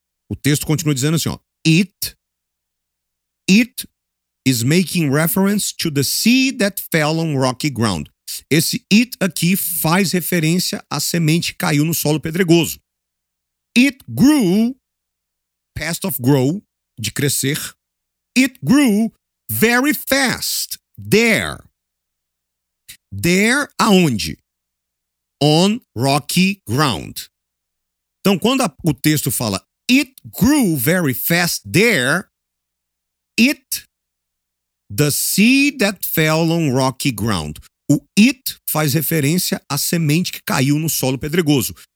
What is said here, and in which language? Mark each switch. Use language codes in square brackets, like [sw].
[pt] O texto continua dizendo assim, ó, [en] it is making reference to the seed that fell on rocky ground. [pt] Esse it aqui faz referência à semente que caiu no solo pedregoso. [en] It grew, past of grow, [pt] de crescer. [en] It grew very fast there. There [pt] aonde? [en] On rocky ground. [pt] Então, quando o texto fala [en] it grew very fast there, it, the seed that fell on rocky ground. [pt] O it faz referência à semente que caiu no solo pedregoso.